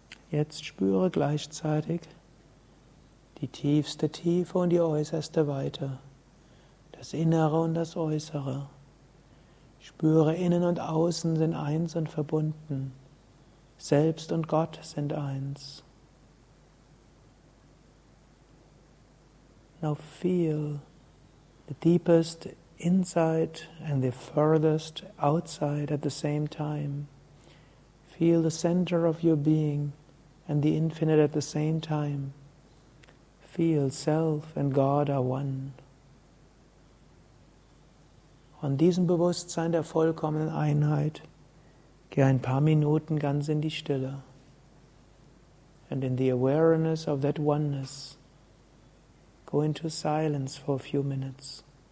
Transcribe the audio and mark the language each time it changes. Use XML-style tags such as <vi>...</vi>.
<de>Jetzt spüre gleichzeitig die tiefste Tiefe und die äußerste Weite, das Innere und das Äußere. Spüre, innen und außen sind eins und verbunden. Selbst und Gott sind eins.</de> <en>Now feel the deepest inside and the furthest outside at the same time. Feel the center of your being and the infinite at the same time. Feel Self and God are one.</en> <de>Von diesem Bewusstsein der vollkommenen Einheit geh ein paar Minuten ganz in die Stille.</de> <en>And in the awareness of that oneness, go into silence for a few minutes.</en>